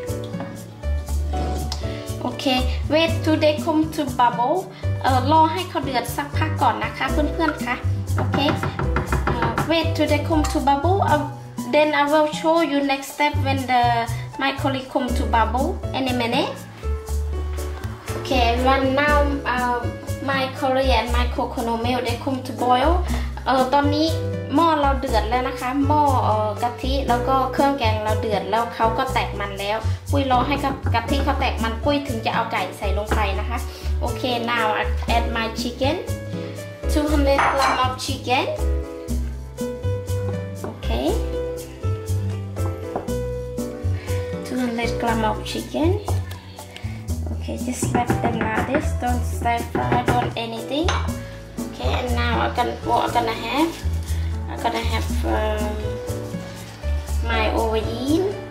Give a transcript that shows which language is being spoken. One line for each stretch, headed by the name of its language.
English: Okay. Okay. Wait till they come to bubble.
Thai: รอให้เขาเดือดสักพักก่อนนะคะเพื่อนๆคะ Okay.
English: Wait till they come to bubble. Then I will show you next step when the my colleague come to bubble. Any minute. Okay. Everyone now. My curry and my coconut milk they come to boil.
Thai: ตอนนี้หม้อเราเดือดแล้วนะคะหม้อกะทิแล้วก็เครื่องแกงเราเดือดแล้วเขาก็แตกมันแล้วปุ้ยรอให้กะทิเขาแตกมันปุ้ยถึงจะเอาไก่ใส่ลงไปนะคะโอเค
English: now I add my chicken 200 gram of chicken okay
Thai: 200 gram of chicken okay
English: Okay, just let them like this. Don't stir fry, don't anything. Okay, and now I'm gonna have my aubergine.